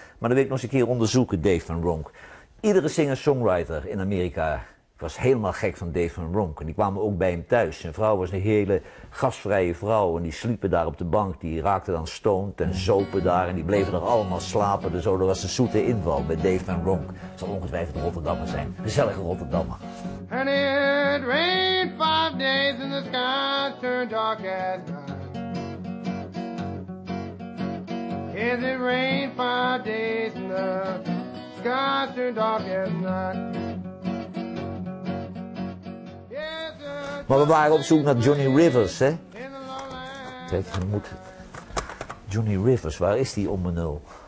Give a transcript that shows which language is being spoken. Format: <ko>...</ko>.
<nl>Maar dat wil ik nog eens een keer onderzoeken, Dave Van Ronk. Iedere singer-songwriter in Amerika was helemaal gek van Dave Van Ronk. En die kwamen ook bij hem thuis. Zijn vrouw was een hele gastvrije vrouw en die sliepen daar op de bank. Die raakten dan stoned en zopen daar en die bleven er allemaal slapen. Dus dat was een zoete inval bij Dave Van Ronk. Het zal ongetwijfeld een Rotterdammer zijn. Gezellige Rotterdammer.</nl> <en>And it rained 5 days and the sky turned dark at night. Yes, it rained 5 days and the sky turned dark at night.</en> <nl>Maar we waren op zoek naar Johnny Rivers, hè? Kijk, je moet. Johnny Rivers, waar is die om benul?</nl>